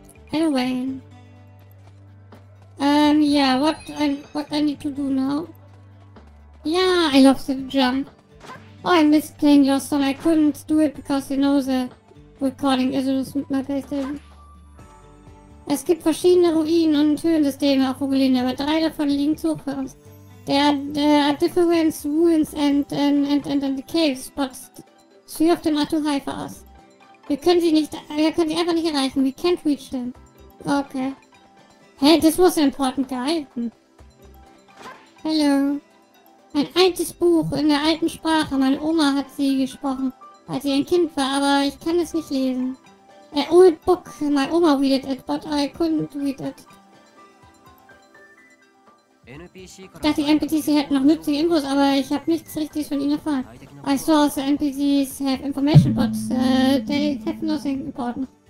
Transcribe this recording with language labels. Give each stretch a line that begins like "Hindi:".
English: Hello, Wayne. Yeah, what I need to do now? Yeah, I love the jump. Oh, I missed playing your song. I couldn't do it because, you know, the recording issues with my PlayStation.
German: Es gibt verschiedene Ruinen und Türen des Dämonen auf Ugolin, aber drei davon liegen zu hoch für uns.
English: There are different ruins and the caves, but three of them are too high for us.
German: Wir können sie einfach nicht erreichen.
English: We can't reach them. Okay. Hey, this was an important guy.
German: Hello. Ein altes Buch in der alten Sprache. Meine Oma hat sie gesprochen. als ich ein Kind war, aber ich kann es nicht lesen.
English: An old book, my oma read it, but I couldn't read it.
German: Ich dachte, die NPCs hätten noch nützliche Infos, aber ich habe nichts richtiges von ihnen erfahren.
English: I saw the NPCs have information, but they have nothing important.